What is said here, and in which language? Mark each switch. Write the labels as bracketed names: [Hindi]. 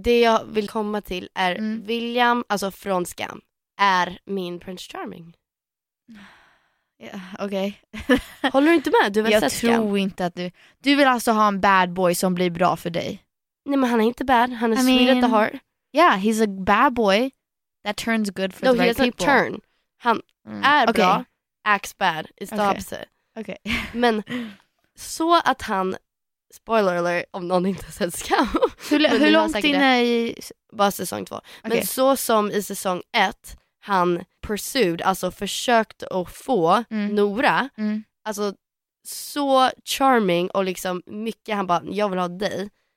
[Swedish] Det jag vill komma till är William, alltså från Skam, är min Prince Charming. [English] Yeah, okej. [Swedish] Okay. Håller du inte med? Du vill jag tror Skam. Inte att du... Du vill alltså ha en bad boy som blir bra för dig. Nej, men han är inte bad. Han är [English] sweet at the heart. Yeah, he's a bad boy that turns good for the right people. No, he doesn't turn. [Swedish] Han är okay. Bra, [English] acts bad, is the opposite. Okay. [Swedish] Men så att han, spoiler alert, om någon inte sett Skam. Hur långt in är i... Bara säsong 2. Okay. Men så som i säsong 1, han pursued, alltså försökt att få Nora, alltså så charming och liksom mycket, han bara, jag vill ha dig.